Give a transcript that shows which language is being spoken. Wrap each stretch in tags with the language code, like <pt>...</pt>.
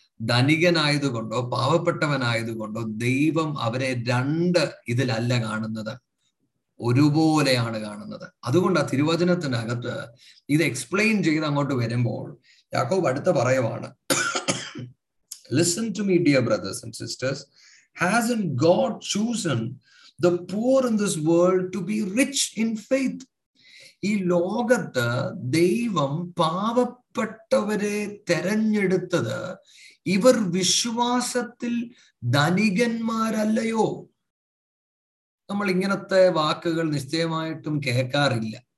<ml>ധനികനായതുകൊണ്ടോ പാവപ്പെട്ടവനായതുകൊണ്ടോ ദൈവം അവരെ രണ്ട് ഇതിലല്ല കാണുന്നത്, ഒരുപോലെയാണ് കാണുന്നത്. അതുകൊണ്ടാ തിരുവചനത്തിൻ്റെ അകത്ത് ഇത് എക്സ്പ്ലെയിൻ ചെയ്ത് അങ്ങോട്ട് വരുമ്പോൾ യാക്കോബ് അടുത്ത പറയുവാണ്,</ml> <en>Listen to me, dear brothers and sisters. Hasn't God chosen the poor in this world to be rich in faith?</en> <ml>ഈ ലോകത്ത് ദൈവം പാവപ്പെട്ടവരെ തിരഞ്ഞെടുത്തത് ഇവർ വിശ്വാസത്തിൽ ധനികന്മാരല്ലയോ? നമ്മൾ ഇങ്ങനത്തെ വാക്കുകൾ നിശ്ചയമായിട്ടും കേൾക്കാറില്ല.</ml>